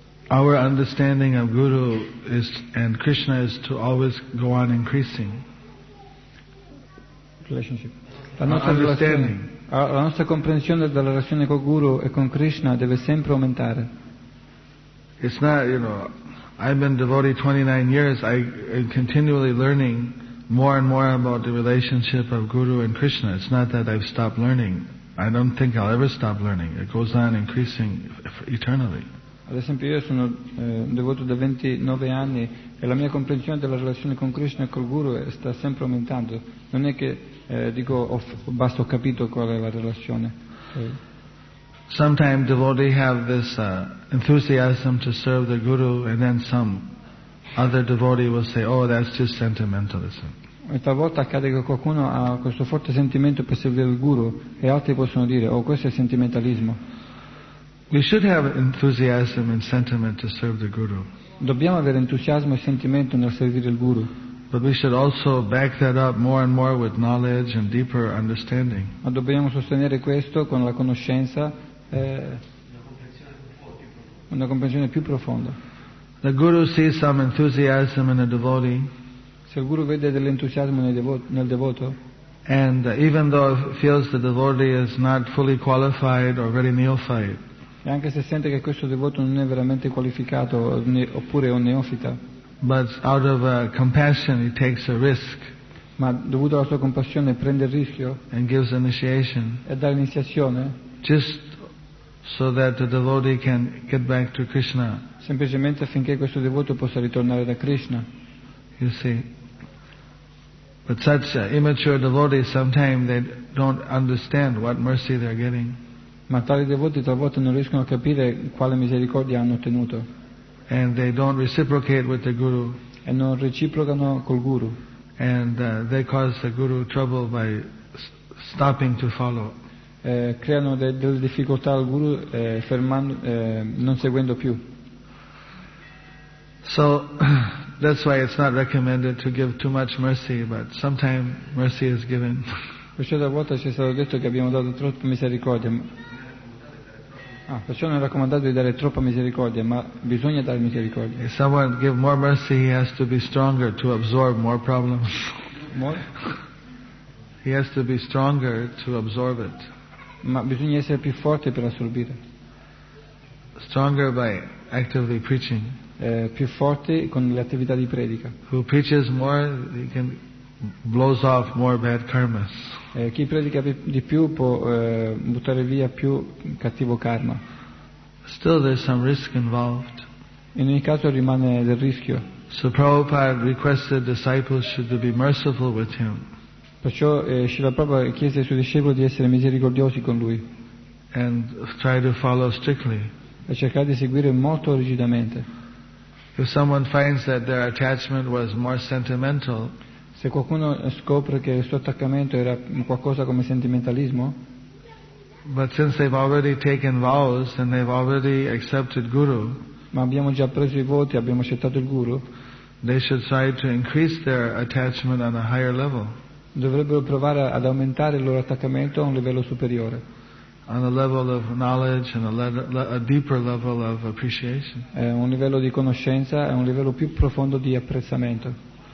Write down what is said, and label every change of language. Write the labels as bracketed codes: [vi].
[en] our understanding of Guru is and Krishna is to always go on increasing. Relationship. Understanding. [it] La nostra comprensione della relazione con Guru e con Krishna deve sempre aumentare. [en] It's not, you know, I've been devotee 29 years. I am continually learning more and more about the relationship of Guru and Krishna. It's not that I've stopped learning. I don't think I'll ever stop learning. It goes on increasing eternally. [it] Ad esempio, io sono un devoto da 29 anni e la mia comprensione della relazione con Krishna e col Guru sta sempre aumentando. Non è che dico basta, ho capito qual è la relazione. [en] Sometimes devotees have this enthusiasm to serve the Guru, and then some other devotee will say, "Oh, that's just sentimentalism." [it] E talvolta accade che qualcuno ha questo forte sentimento per servire il Guru, e altri possono dire, "Oh, questo è sentimentalismo." [en] We should have enthusiasm and sentiment to serve the Guru. [it] Dobbiamo avere entusiasmo e sentimento nel servire il Guru. [en] But we should also back that up more and more with knowledge and deeper understanding. [it] Ma dobbiamo sostenere questo con la conoscenza, una comprensione più profonda. [en] The Guru sees some enthusiasm in a devotee. [it] Se il Guru vede dell'entusiasmo nel devoto. [en] And even though it feels the devotee is not fully qualified or very neophyte. [it] E anche se sente che questo devoto non è veramente qualificato oppure è un neofita. [en] But out of compassion he takes a risk. [it] Ma dovuto alla sua compassione prende il rischio. [en] And gives initiation. [it] E dà l'iniziazione. [en] Just so that the devotee can get back to Krishna. [it] Semplicemente affinché questo devoto possa ritornare da Krishna. [en] You see. But such immature devotees sometimes they don't understand what mercy they're getting. [it] Ma tali devoti talvolta non riescono a capire quale misericordia hanno ottenuto. [en] And they don't reciprocate with the Guru. [it] E non reciprocano col Guru. [en] And they cause the Guru trouble by stopping to follow. [it] Creano delle difficoltà al Guru fermando, non seguendo più. [en] So that's why it's not recommended to give too much mercy, but sometimes mercy is given. [it] Perciò talvolta ci è stato detto che abbiamo dato troppa misericordia. Perciò non è raccomandato di dare troppa misericordia, ma bisogna dare misericordia. [en] If someone give more mercy, he has to be stronger to absorb more problems. More? He has to be stronger to absorb it. [it] Ma bisogna essere più forte per assorbire. [en] Stronger by actively preaching. [it] Più forte con le attività di predica. [en] Who preaches more, he can blows off more bad karmas. [it] Chi predica di più può buttare via più cattivo karma. [en] Still there's some risk involved. [it] In ogni caso rimane del rischio. [en] So Prabhupada requested disciples should be merciful with him. [it] Perciò Srila Prabhupada chiese ai suoi discepoli di essere misericordiosi con lui. [en] And try to follow strictly. [it] E cercare di seguire molto rigidamente. [en] If someone finds that their attachment was more sentimental. [it] Se qualcuno scopre che il suo attaccamento era qualcosa come sentimentalismo, [en] but since they've already taken vows and they've already accepted Guru, [it] ma abbiamo già preso i voti, abbiamo accettato il Guru, [en] they should try to increase their attachment on a higher level. [it] Dovrebbero provare ad aumentare il loro attaccamento a un livello superiore. [en] On a level of knowledge and a deeper level of appreciation. [it] È un livello di conoscenza, è un livello più profondo di apprezzamento.